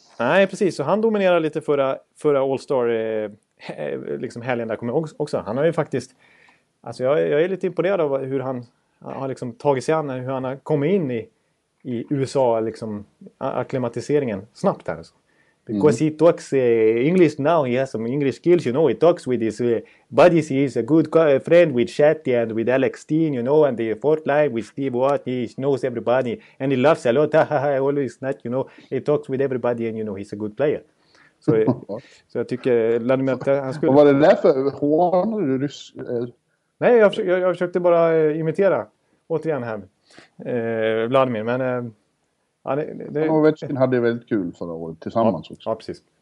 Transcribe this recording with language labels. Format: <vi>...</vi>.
<sv>Nej, precis. Så han dominerade lite förra All-Star liksom helgen där också. Han har ju faktiskt... Alltså jag är lite imponerad av hur han har liksom tagit sig an, hur han har kommit in i USA liksom akklimatiseringen snabbt här.</sv> <en>Because he talks English now, he has some English skills, you know, he talks with his buddies, he is a good friend with Shetty and with Alex Steen, you know, and the fourth line with Steve Watt, he knows everybody and he loves a lot, always not, you know, he talks with everybody and you know, he's a good player.</en> <sv>Så, så jag tycker, han skulle... Vad är det där för hånare rysk? Nej, jag försökte bara imitera återigen här Vladimir, men... Ovechkin hade väldigt kul förra året tillsammans också. Ja, precis.</sv>